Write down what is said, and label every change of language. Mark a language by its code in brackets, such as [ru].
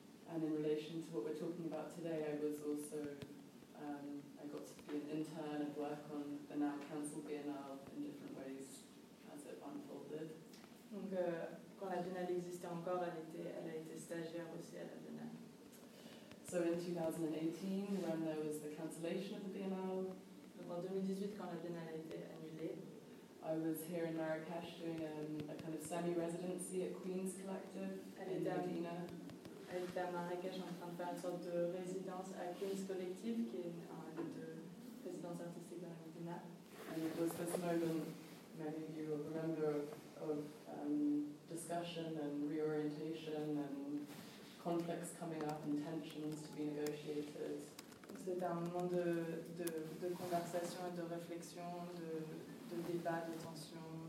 [en] And in relation to what we're talking about today, I was also I got to be an intern and work on the now cancelled biennale in different ways as it unfolded. [fr] Donc, quand la biennale existait encore, elle a été stagiaire aussi à la biennale. [en] So in 2018, when there was the cancellation of the biennale, [fr] donc en 2018, quand la biennale a été annulée, [en] I was here in Marrakech doing a kind of semi-residency at Queen's Collective in Medina. [fr] Elle était à Marrakech en train de faire une sorte de résidence à Queen's Collective, qui est une lieu de résidence artistique dans la Médina. [en] And it was this moment, many of you will remember, of discussion and reorientation and conflicts coming up and tensions to be negotiated. [fr] C'était un moment de conversation et de réflexion, de débat, de tension.